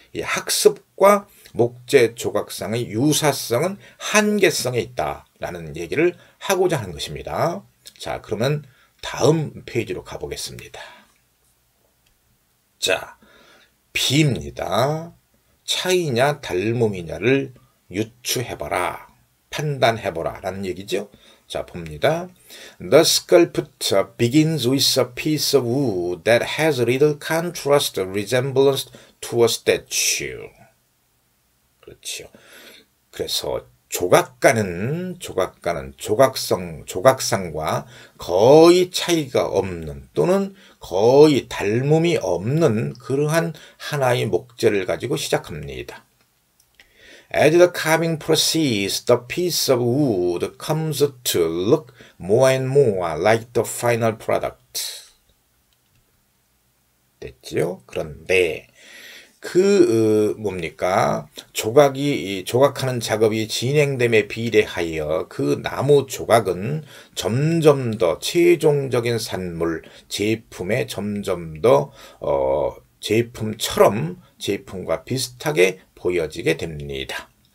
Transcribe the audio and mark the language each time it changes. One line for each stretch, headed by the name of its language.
Korean: 이 학습과 목재 조각상의 유사성은 한계성에 있다라는 얘기를 하고자 하는 것입니다. 자, 그러면 다음 페이지로 가보겠습니다. 자, B입니다. 차이냐 닮음이냐를 유추해봐라, 판단해보라라는 얘기죠. 자, 봅니다.
English: The sculpture begins with a piece of wood that has little contrast resemblance to a statue.
Korean: 그렇죠. 그래서 조각가는 조각상과 거의 차이가 없는 또는 거의 닮음이 없는 그러한 하나의 목재를 가지고 시작합니다.
English: As the carving proceeds, the piece of wood comes to look more and more like the final product.
Korean: 됐죠? 그런데 조각하는 작업이 진행됨에 비례하여 그 나무 조각은 점점 더 최종적인 산물, 제품에 점점 더 제품처럼 제품과 비슷하게 보여지게 됩니다.